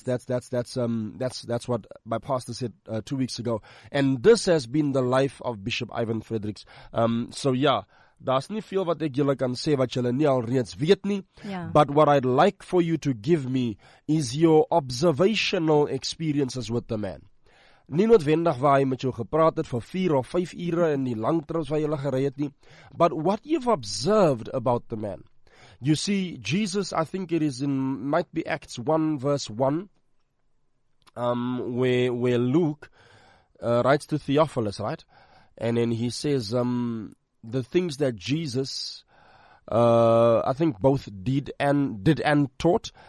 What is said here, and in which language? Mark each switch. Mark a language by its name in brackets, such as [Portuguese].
[English] that's what my pastor said 2 weeks ago, and this has been the life of Bishop Ivan Fredericks. [Afrikaans] So yeah, daar's nie veel wat ek julle kan sê wat julle nie alreeds weet nie. [English] Yeah. But what I'd like for you to give me is your observational experiences with the man. [Afrikaans] nie noodwendig waar hy met jou gepraat het vir 4 or 5 ure in die lang trips waar jy gery het nie. [English] But what you've observed about the man. You see, Jesus, I think it is in, might be Acts 1 verse 1, where Luke writes to Theophilus, right? And then he says the things that Jesus, I think both did and taught.